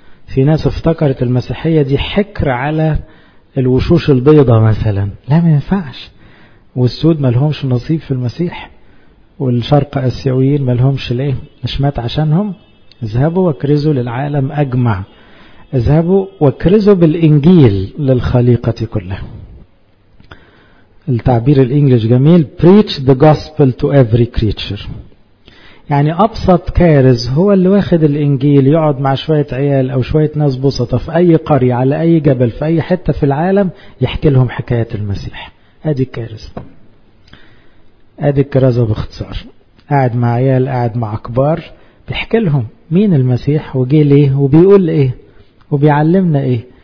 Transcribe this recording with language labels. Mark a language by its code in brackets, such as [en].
[ar] في ناس افتكرت المسيحية دي حكر على الوشوش البيضة مثلا، لا ما ينفعش. والسود ما لهمش نصيب في المسيح، والشرق اسيويين ما لهمش ليه، مش مات عشانهم. اذهبوا واكرزوا للعالم اجمع، اذهبوا واكرزوا بالانجيل للخليقة كلها. التعبير الانجليش جميل، [en] preach the gospel to every creature. [ar] يعني ابسط كارز هو اللي واخد الانجيل يقعد مع شوية عيال او شوية ناس بسطة في اي قرية على اي جبل في اي حتة في العالم، يحكي لهم حكاية المسيح. ادي الكارز، ادي الكرازة باختصار، قاعد مع عيال، قاعد مع كبار، بيحكي لهم مين المسيح وجي ليه وبيقول ايه وبيعلمنا ايه.